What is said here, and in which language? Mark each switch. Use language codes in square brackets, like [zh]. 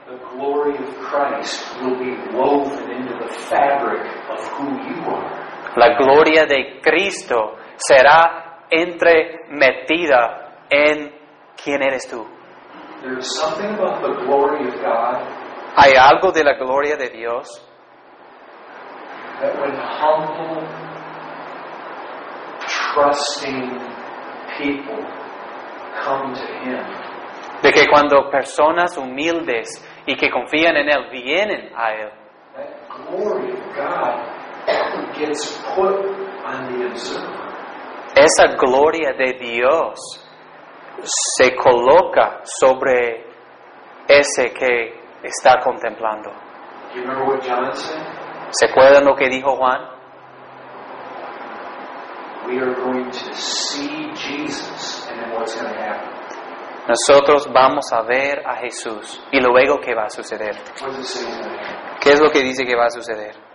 [en] the glory of Christ will be woven into the fabric of who you are. [es] La gloria de Cristo será entremetida en quién eres tú. [en] There is something about the glory of God. [es] Hay algo de la gloria de Dios. [en] That when humble, trusting people come to Him. [es] De que cuando personas humildes y que confían en Él vienen a Él. [en] That glory of God gets put on the observer. [es] Esa gloria de Dios se coloca sobre ese que está contemplando. [en] You remember what John said? [es] ¿Se acuerdan lo que dijo Juan? [en] We are going to see Jesus, and then what's going to happen? [es] Nosotros vamos a ver a Jesús. ¿Y luego qué va a suceder? ¿Qué es lo que dice que va a suceder?